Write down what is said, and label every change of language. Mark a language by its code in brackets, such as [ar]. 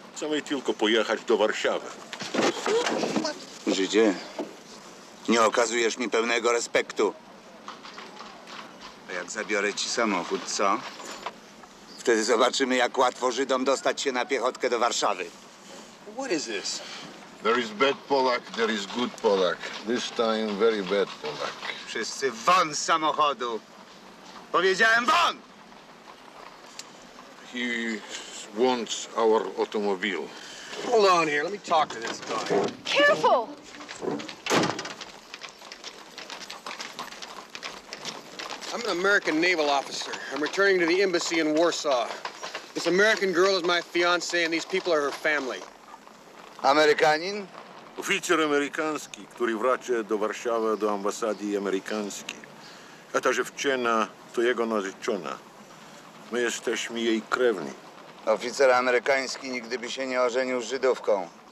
[pl] Chcemy tylko pojechać do Warszawy. Żydzie, nie okazujesz mi pełnego respektu. A jak zabiorę ci samochód, co? Wtedy zobaczymy, jak łatwo Żydom dostać się na piechotkę do Warszawy. [en] What is this? There is bad Polak, there is good Polak. This time very bad Polak. [pl] Wszyscy won z samochodu. Powiedziałem won! [en] He wants our automobile. Hold on here, let me talk to this guy. Careful! I'm an American naval officer. I'm returning to the embassy in Warsaw. This American girl is my fiancée and these people are her family. [pl] Amerykanin? Oficer amerykański, który wraca do Warszawy, do ambasady amerykańskiej. A ta dziewczyna to jego narzeczona. My jesteśmy jej krewni. Oficer amerykański nigdy by się nie ożenił z Żydówką.